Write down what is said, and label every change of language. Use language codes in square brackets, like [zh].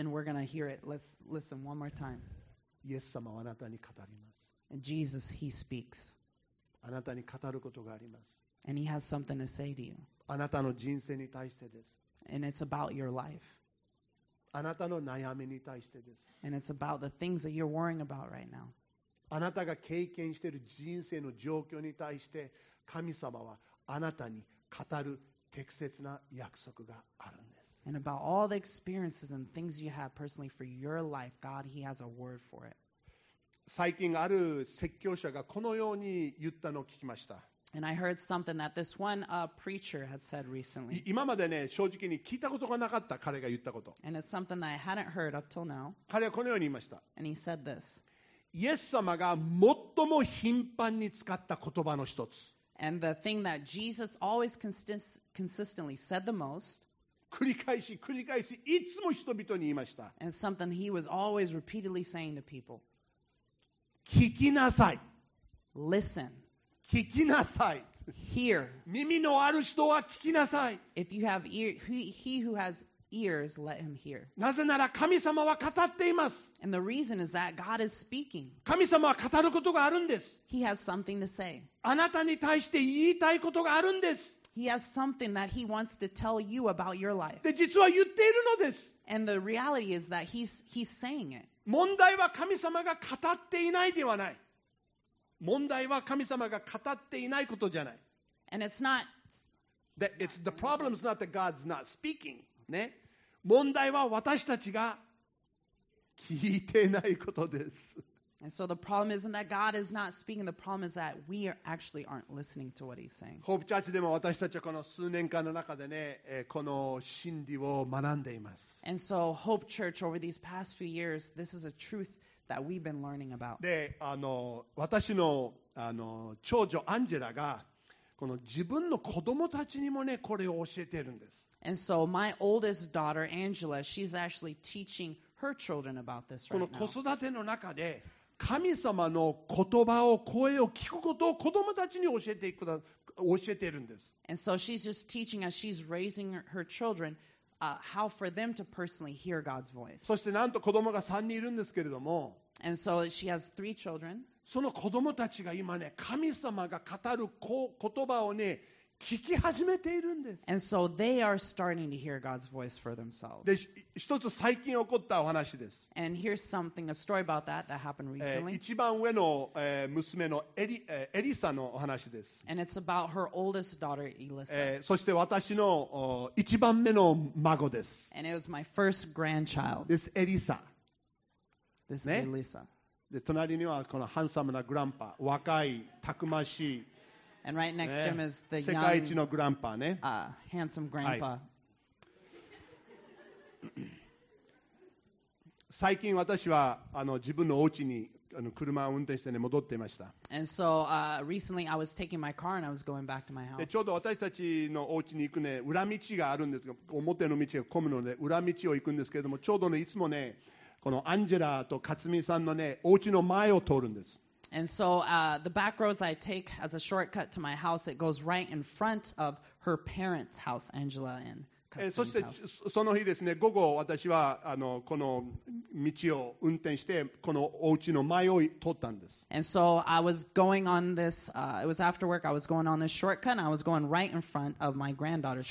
[en] And we're going to hear it. Let's listen one more time. [ja] イエス様はあなたに語ります。 [en] And Jesus, he speaks. [ja] あなたに語ることがあります。 [en] And he has something to say to you. [ja] あなたの人生に対してです。 [en] And it's about your life. [ja] あなたの悩みに対してです。 [en] And it's about the things that you're worrying about right now. [ja] あなたが経験している人生の状況に対して、神様はあなたに語る適切な約束があるんです。 [en] And about all the experiences and things you have personally for your life, God, He has a word for it. [ja] 最近ある説教者がこのように言ったのを聞きました。 [en] And I heard something that this one preacher had said recently. [ja] 今までね、正直に聞いたことがなかった、彼が言ったこと。 [en] And it's something that I hadn't heard up till now. [ja] 彼はこのように言いました。 [en] And he said this. [ja] イエス様が最も頻繁に使った言葉の一つ。 [en] And the thing that Jesus always consistently said the most. [ja] 繰り返し繰り返しいつも人々に言いました。 [en] And something he was always repeatedly saying to people. [ja] 聞きなさい。 [en] Listen. [ja] 聞きなさい。 [en] Hear. [ja] 耳のある人は聞きなさい。 [en] If you have ear, he who has ears, let him hear. [ja] なぜなら神様は語っています。 [en] And the reason is that God is speaking. [ja] 神様は語ることがあるんです。 [en] He has something to say. [ja] あなたに対して言いたいことがあるんです。 [en] He has something that he wants to tell you about your life. [ja] で、実は言っているのです。 [en] And the reality is that he's saying it. [ja] 問題は神様が語っていないではない。問題は神様が語っていないことじゃない。 [en] And it's not... The problem is not that God's not speaking.、 [ja] ね、問題は私たちが聞いてないことです。 [en] And so the problem isn't that God is not speaking. The problem is that we actually aren't listening to what he's saying. [ja] Hope Church でも私たちはこの数年間の中でね、この真理を学んでいます。 [en] And so Hope Church over these past few years, this is a truth that we've been learning about. [ja] で、私の、長女アンジェラがこの自分の子供たちにもね、これを教えているんです。 [en] And so my oldest daughter, Angela, she's actually teaching her children about this right now. [ja] この子育ての中で神様の言葉を声を聞くことを子供たちに教えているんです。 [en] And so she's just teaching as she's raising her children, how for them to personally hear God's voice. [ja] そしてなんと子供が3人いるんですけれども。 [en] And so she has three children. [ja] その子供たちが今ね、神様が語る言葉をね、聞き始めているんです。 [en] And so they are starting to hear God's voice for themselves. [ja] で、一つ最近起こったお話です。 [en] And here's something, a story about that that happened recently. [ja] 一番上の、娘のエリサのお話です。 [en] And it's about her oldest daughter, Elisa. [ja] そして私の、一番目の孫です。 [en] And it was my first grandchild. This Elisa. This is、ね、Elisa. [ja] で、隣にはこのハンサムなグランパ、若い、たくましい、 [en] And right next、ね、to him is the young, [ja] 世界一のグランパね、 [en] handsome grandpa.、はい、 [ja] 最近私は自分のお家に車を運転して、ね、戻っていました。 [en] And so, recently I was taking my car and I was going back to my house. [ja] でちょうど私たちのお家に行くね、裏道があるんですが、表の道が混むので裏道を行くんですけれども、ちょうどね、いつもね、このアンジェラと勝美さんのね、お家の前を通るんです。 [en] And so, the back roads I take as a shortcut to my house, it goes right in front of her parents' house, Angela and Katsumi's house. [ja] そしてその日ですね、午後私はこの道を運転してこのお家の前を通ったんです。 [en] And so I was going on this, it was after work, I was going on this shortcut, and I was going right in front of my granddaughter's house.